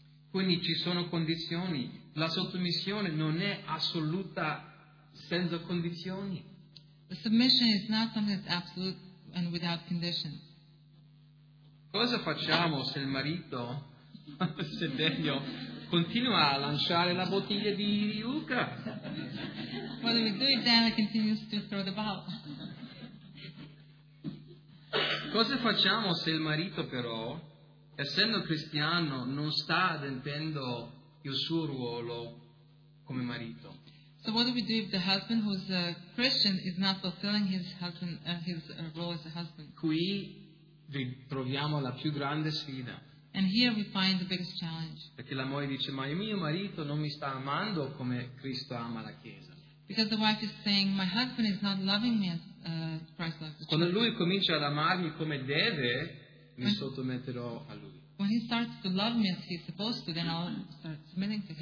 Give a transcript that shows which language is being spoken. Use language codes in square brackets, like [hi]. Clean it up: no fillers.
[it] Quindi ci sono condizioni. La sottomissione non è assoluta senza condizioni. [en] The submission is not something that's absolute and without conditions. [it] Cosa facciamo se il marito, se degno, continua a lanciare la bottiglia di Luca? [en] What do we do if Dana continues to throw the ball? [it] Cosa facciamo se il marito però, essendo cristiano, non sta adempiendo il suo ruolo come marito? [en] So what do we do if the husband who's a Christian is not fulfilling his role as a husband? [it] Qui ritroviamo la più grande sfida. [en] And here we find the biggest challenge. [it] Perché la moglie dice, ma il mio marito non mi sta amando come Cristo ama la Chiesa. [en] Because the wife is saying, my husband is not loving me as Christ loves the Church. [it] Quando lui comincia ad amarmi come deve, mi sottometterò a lui. [en] When he starts to love me as he's supposed to, then I'll start submitting to him.